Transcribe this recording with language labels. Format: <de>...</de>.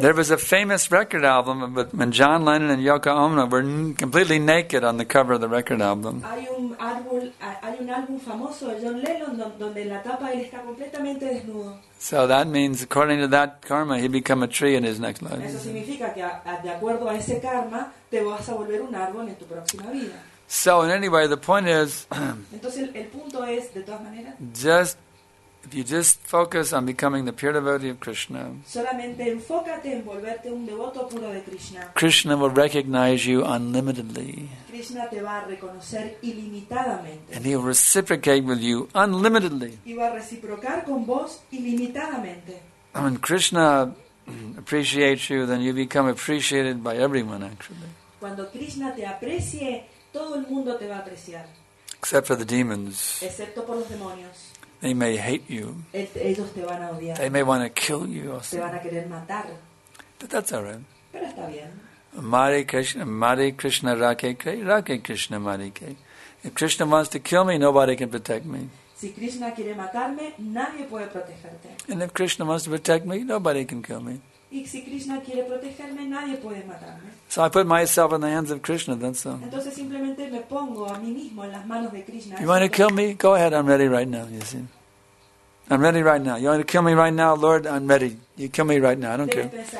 <en>there was a famous record album when John Lennon and Yoko Ono were completely naked on the cover of the record album.</en> <es>Hay un álbum famoso de John Lennon donde en la tapa él está completamente desnudo.</es> <en>So that means, according to that karma, he'd become a tree in his next life.</en> <es>Eso significa que de acuerdo a ese karma te vas a volver un árbol en tu próxima vida.</es> <en>So, and anyway, the point is.</en> <es>Entonces el punto es de todas maneras.</es> <en>Just. If you just focus on becoming the pure devotee of Krishna,</en> <es>solamente enfócate en volverte un devoto puro de Krishna,</es> <en>Krishna will recognize you unlimitedly.</en> <es>Krishna te va a reconocer ilimitadamente.</es> <en>And he'll reciprocate with you unlimitedly.</en> <es>Y va a reciprocar con vos ilimitadamente.</es> <en>When Krishna appreciates you, then you become appreciated by everyone, actually.</en> <es>Cuando Krishna te aprecie, todo el mundo te va a apreciar.</es> <en>Except for the demons.</en> <es>Excepto por los demonios.</es> <en>They may hate you.</en> <es>Ellos te van a odiar.</es> <en>They may want to kill you.</en> <es>Te van a querer matar.</es> <en>But that's all right.</en> <es>Pero está bien. Mari Krishna Rake Kai, Rake Krishna Mari Kai.</es> <en>If Krishna wants to kill me, nobody can protect me.</en> <es>Si Krishna quiere matarme, nadie puede protegerte.</es> <en>And if Krishna wants to protect me, nobody can kill me.</en> <es>Y si Krishna quiere protegerme, nadie puede matarme.</es> <en>So I put myself in the hands of Krishna, that's all.</en> <es>Entonces simplemente me pongo a mí mismo en las manos de Krishna.</es> <en>You want to kill me? Go ahead, I'm ready right now, you see. I'm ready right now. You want to kill me right now, Lord? I'm ready. You kill me right now. I don't care.</en>